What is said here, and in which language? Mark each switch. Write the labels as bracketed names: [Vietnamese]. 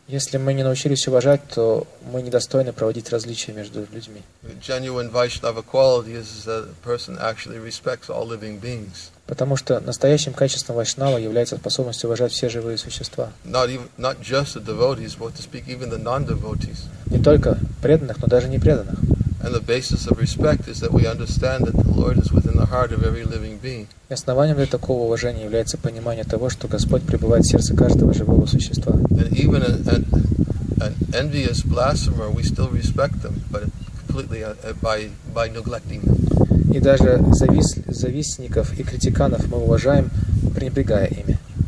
[Russian] Если мы не научились уважать, то мы недостойны проводить различия между людьми. [English] Genuine Vaishnava quality is that a person actually respects all living beings. [Russian] Потому что настоящим качеством вайшнава является способность уважать все живые существа. [English] Not just the devotees, but to speak even the non-devotees. [Russian] Не только преданных, но даже непреданных. [English] And the basis of respect is that we understand that the Lord is within the heart of every living being. [Russian] И основанием для такого уважения является понимание того, что Господь пребывает в сердце каждого живого существа. [English] And even an envious blasphemer, we still respect them, but completely by neglecting them. [Russian] И даже завистников и критиканов мы уважаем, пренебрегая ими.